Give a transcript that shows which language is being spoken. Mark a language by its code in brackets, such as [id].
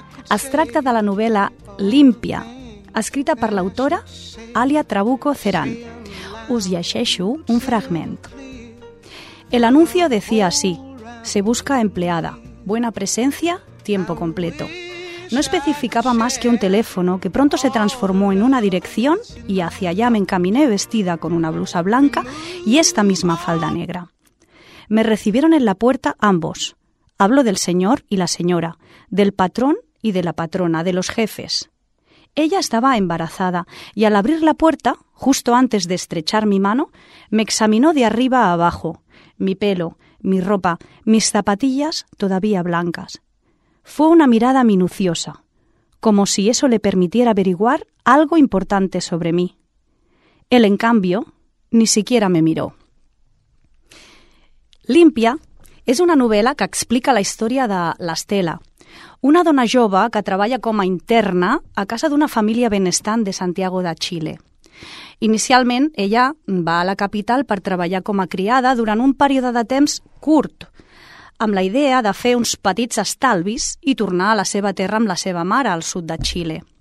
[ca] Es tracta de la novel·la Límpia, escrita per l'autora Alia Trabuco Cerán. Us llegeixo un fragment. [es] El anuncio decía así: se busca empleada, buena presencia, tiempo completo. No especificaba más que un teléfono que pronto se transformó en una dirección y hacia allá me encaminé vestida con una blusa blanca y esta misma falda negra. Me recibieron en la puerta ambos. Hablo del señor y la señora, del patrón y de la patrona, de los jefes. Ella estaba embarazada y al abrir la puerta, justo antes de estrechar mi mano, me examinó de arriba a abajo, mi pelo, mi ropa, mis zapatillas todavía blancas. Fue una mirada minuciosa, como si eso le permitiera averiguar algo importante sobre mí. Él, en cambio, ni siquiera me miró. [ca] Límpia és una novel·la que explica la història de l'Estela, una dona jove que treballa com a interna a casa d'una família benestant de Santiago de Chile. Inicialment, ella va a la capital per treballar com a criada durant un període de temps curt, amb la idea de fer uns petits estalvis i tornar a la seva terra amb la seva mare, al sud de Xile.